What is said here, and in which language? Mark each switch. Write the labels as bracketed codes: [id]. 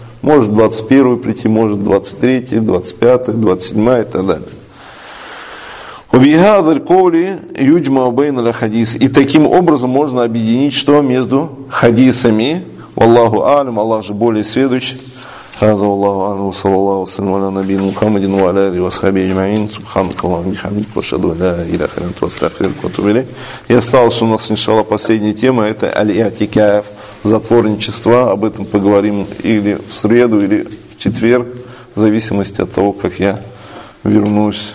[ru] Может 21-й прийти, может 23-й, 25-й, 27-й и так далее. [ar] Убихадр ковли юджма убейна ля хадис. [ru] И таким образом можно объединить, что между хадисами. Аллаху алим, Аллах же более сведущий. [ar] هذا والله أعلم وصلى الله وسلم على نبي محمد وعلى آله وصحبه أجمعين سبحانك اللهم وبحمدك واشهد أن لا إله إلا أنت أستغفرك وأتوب إليك. [ru] Осталась у нас إن شاء الله последняя тема, это аль-и'тикаф, затворничество. Об этом поговорим или в среду, или в четверг, в зависимости от того, как я вернусь.